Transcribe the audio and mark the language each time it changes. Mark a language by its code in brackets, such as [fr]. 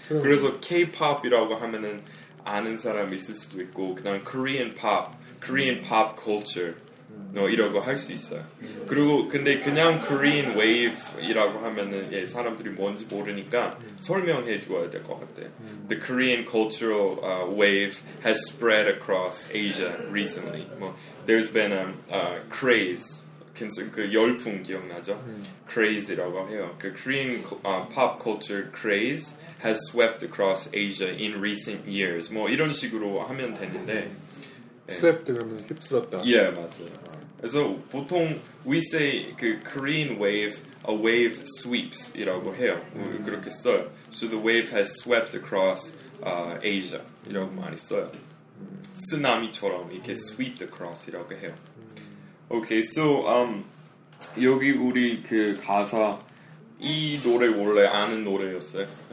[ko] 그래서 K-pop이라고 하면은 아는 사람 있을 수도 있고 그냥 [en] Korean pop culture [ko] 이러고 할수 있어요. 그리고 근데 그냥 [en] Korean wave [ko] 이라고 하면은 사람들이 뭔지 모르니까 설명해 줘야 될것 같아요. [en] The Korean cultural wave has spread across Asia recently. [ko] 뭐, [en] there's been a craze, [ko] 그 열풍 기억나죠? Craze라고 해요. [en] 그 Korean pop culture craze has swept across Asia in recent years. [ko] 뭐 이런 식으로 하면 되는데, 스웹드 그러면 휩쓸었다. 예, 맞아요. 그래서 보통 [en] we say [ko] 그 [en] Korean wave, a wave sweeps [ko] 이라고 해요. 그렇게 써요. [en] So the wave has swept across Asia [ko] 이라고 많이 써요. 쓰나미처럼 이렇게 [en] sweep across [ko] 이라고 해요. [en] Okay, so [ko] 여기 우리 그 가사 이 노래 원래 아는 노래였어요.